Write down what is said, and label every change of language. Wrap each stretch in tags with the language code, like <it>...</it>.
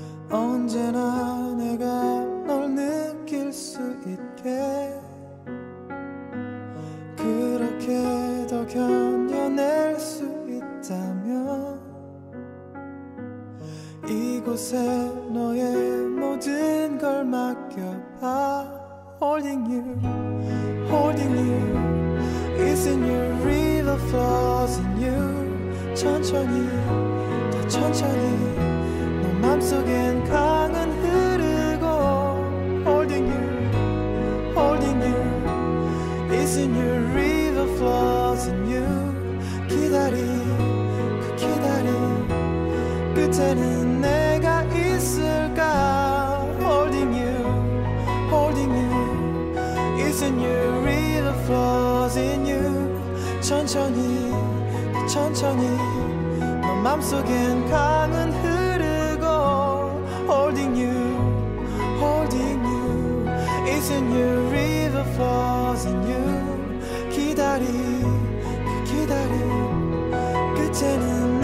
<ko>언제나 내가 널 느낄 수 있게. 그렇게 더 견뎌낼 수 있다면 이곳에 너의 모든 걸 맡겨봐.</ko> <en>Holding you, holding you, it's in your river flows in you.</en> <ko>천천히, 더 천천히, 내 맘속엔 강은 흐르고.</ko> <en>Holding you, holding you, it's a new river flows in you.</en> <ko>기다림, 그 기다림, 끝에는 내가 있을까.</ko> <en>Holding you, holding you, it's a new river flows in you.</en> <ko>천천히, 천천히 너 맘속엔 강은 흐르고.</ko> <en>Holding you, holding you, it's a new river flows in you.</en> <ko>기다림, 그 기다림, 끝에는</ko>